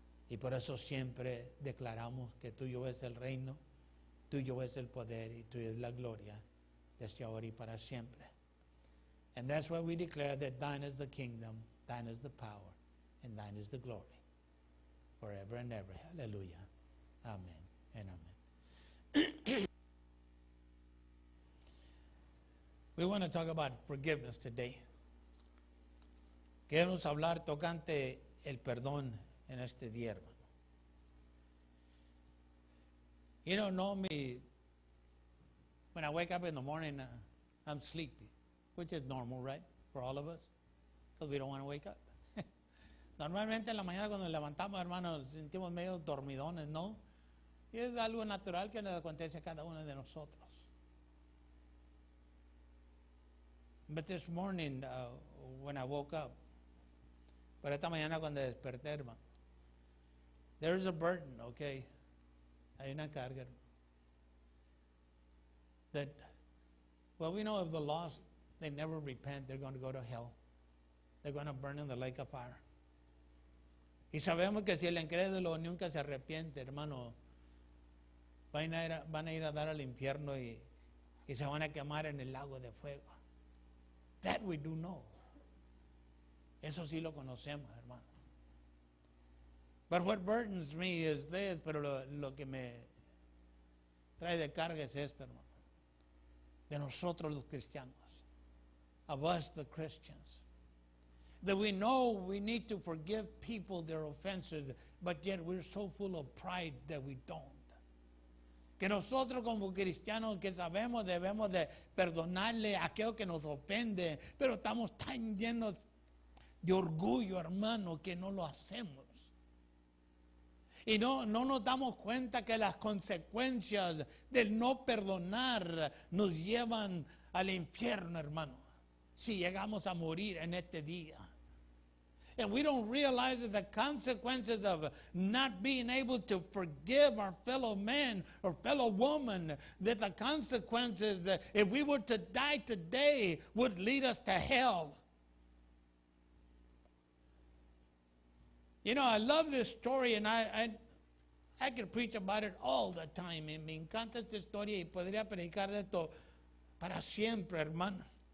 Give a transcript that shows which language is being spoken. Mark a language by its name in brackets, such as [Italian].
[Spanish] Y por eso siempre declaramos que tuyo es el reino, tuyo es el poder y tuyo es la gloria desde ahora y para siempre. [English] And that's why we declare that thine is the kingdom, thine is the power, and thine is the glory. Forever and ever. Hallelujah. Amen and amen. We want to talk about forgiveness today. [Spanish] Queremos hablar tocante el perdón en este día, hermano. [English] You don't know me. When I wake up in the morning, I'm sleepy, which is normal, right, for all of us, because we don't want to wake up. [Spanish] Normalmente en la mañana cuando nos levantamos, hermano, sentimos medio dormidones, ¿no? Y es algo natural que nos acontece a cada uno de nosotros. [English] But this morning, when I woke up, [Spanish] pero esta mañana cuando desperté, hermano, [English] there is a burden, okay? [Spanish] Hay una carga, hermano. [English] That, well, we know of the lost, they never repent, they're going to go to hell. They're going to burn in the lake of fire. [Spanish] Y sabemos que si el incrédulo nunca se arrepiente, hermano, van a ir a dar al infierno y se van a quemar en el lago de fuego. [English] That we do know. [Spanish] Eso sí lo conocemos, hermano. [English] But what burdens me is this, [Spanish] pero lo que me trae de carga es esto, hermano. De nosotros los cristianos. [English] Of us, the Christians. that we know we need to forgive people their offenses, but yet we're so full of pride that we don't. [Spanish] Que nosotros como cristianos que sabemos debemos de perdonarle a aquel que nos ofende, pero estamos tan llenos de orgullo, hermano, que no lo hacemos. Y no nos damos cuenta que las consecuencias del no perdonar nos llevan al infierno, hermano, si llegamos a morir en este día. [English] And we don't realize that the consequences of not being able to forgive our fellow man or fellow woman, that the consequences, that if we were to die today, would lead us to hell. You know, I love this story, and I could preach about it all the time. [Spanish] Y me encanta esta historia y podría predicar de esto para siempre, hermano.